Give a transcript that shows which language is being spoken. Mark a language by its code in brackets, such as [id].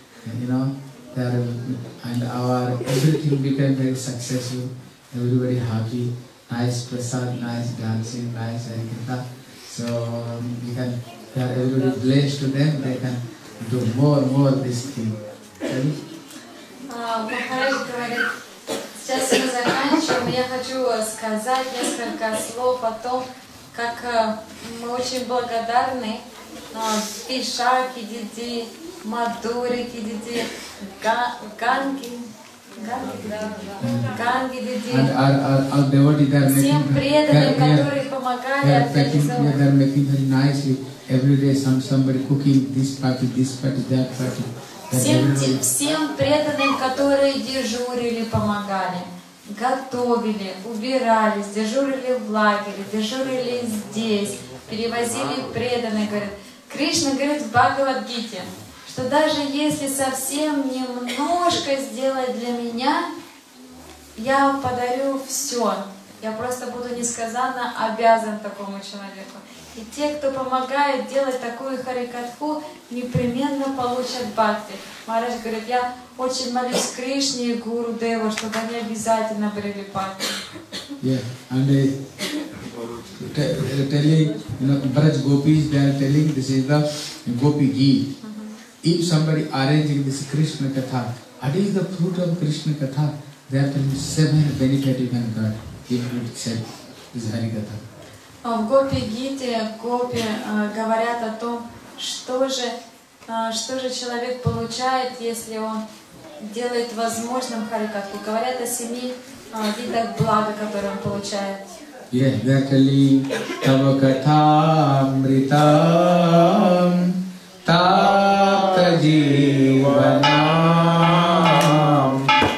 [en] And, you know, there and our everything became very successful. Everybody happy. Nice prasad, nice dancing, nice ayakita. So you can there everybody blessed to them, they can do more this thing. Okay? [ru] Сейчас мы заканчиваем, я хочу сказать несколько слов о том, как мы очень благодарны Пишаки, Диди, Мадурики, Диди, Ганги, Диди, всем преданным, которые помогали организовать. [en] They are making very nice, every day somebody cooking this party, that party. [ru] Всем преданным, которые дежурили, помогали, готовили, убирались, дежурили в лагере, дежурили здесь, перевозили преданных, говорят. Кришна говорит в Бхагавад-гите, что даже если совсем немножко сделать для меня, я подарю все. Я просто буду несказанно обязан такому человеку. И те, кто помогает делать такую харикатху, непременно получат бхакти. Махарадж говорит, я очень молюсь Кришне и Гуру Деву, чтобы они обязательно брели бхакти. [en] Yeah, and telling, you know, Braj Gopis, they are telling, this is the Gopi Ghee. If somebody arranging this Krishna Katha, what is the fruit of Krishna Katha? They are telling seven benefits you can get. [ru] В Гопи Гите Гопи говорят о том, что же человек получает, если он делает возможным харикатху. Говорят о семи видах блага, которые он получает. [en] Yeah, they are telling [sa] Tava Katha Amritam Tata Jivanam.